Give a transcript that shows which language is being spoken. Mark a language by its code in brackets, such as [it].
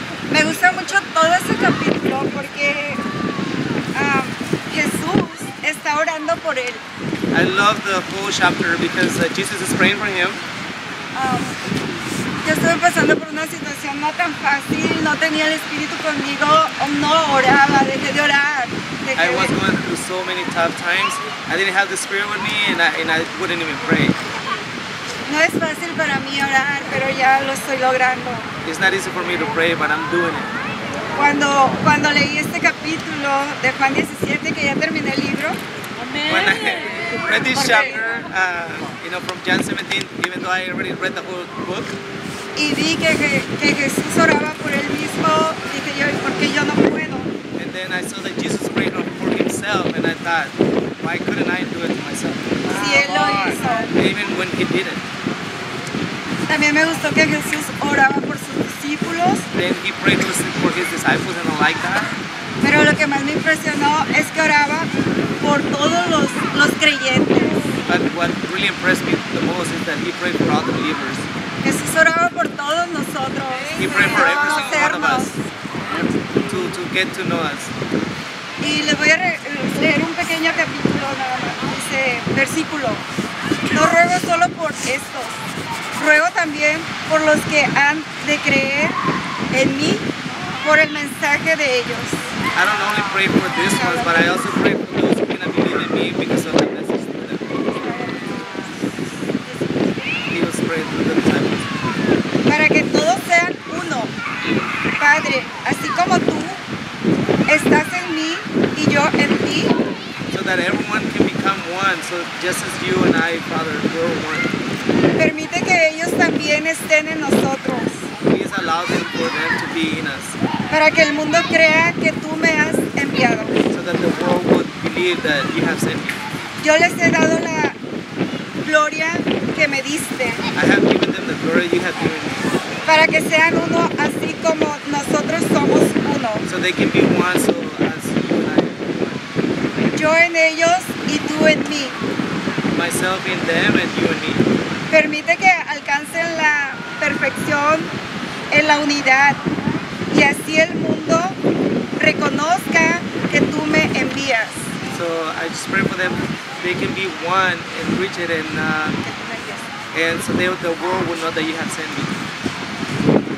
[es] Me gusta mucho todo ese capítulo porque Jesús está orando por él. [en] I love the whole chapter because Jesus is praying for him. [es] Yo estoy pasando por una situación no tan fácil, no tenía el Espíritu conmigo, no oraba, dejé de orar. [en] I was going through so many tough times. I didn't have the Spirit with me and I wouldn't even pray. [es] No es fácil para mí orar, pero ya lo estoy logrando. [en] It's not easy for me to pray, but I'm doing it. [es] Cuando leí este capítulo de Juan 17, que ya terminé el libro. [en] When I read this chapter, from John 17, even though I already read the whole book. [es] Y vi que Jesús oraba por él mismo, y que yo, porque yo no puedo. [en] And then I saw that Jesus prayed for himself, and I thought, why couldn't I do it to myself? [es] Si él lo hizo. [en] Even when he did it. [es] También me gustó que Jesús oraba por sus discípulos. [en] Then he prayed for his disciples and I like that. [es] Pero lo que más me impresionó es que oraba por todos los creyentes. [en] But what really impressed me the most is that he prayed for all the believers. [es] Jesús oraba por todos nosotros. [en] He prayed for every single one of us to get to know us. [es] Y les voy a leer un pequeño capítulo nada más. Dice, versículo. No ruego solo por estos. Ruego también por los que han de creer en mí por el mensaje de ellos. [en] I don't only pray for this one, but I also pray for those who are going to believe in me because of the message to them. He was praying for the disciples. [es] Para que todos sean uno. Padre, así como tú estás en mí y yo en ti. [en] So that everyone can become one, so just as you and I, Father, we're one. [es] Permite que ellos también estén en nosotros. [en] Please allow them for them to be in us. [es] Para que el mundo crea que tú me has enviado. [en] So that the world would believe that you have sent me. [es] Yo les he dado la gloria que me diste. [en] I have given them the glory you have given me. [es] Para que sean uno así como nosotros somos uno. [en] So they can be one so as you and I. [es] Yo en ellos y tú en mí. [en] Myself in them and you in me. [es] Permite que alcancen la perfección en la unidad. Y así el mundo reconozca que tú me envías. [en] So I just pray for them, they can be one and reach it and so they, the world will know that you have sent me.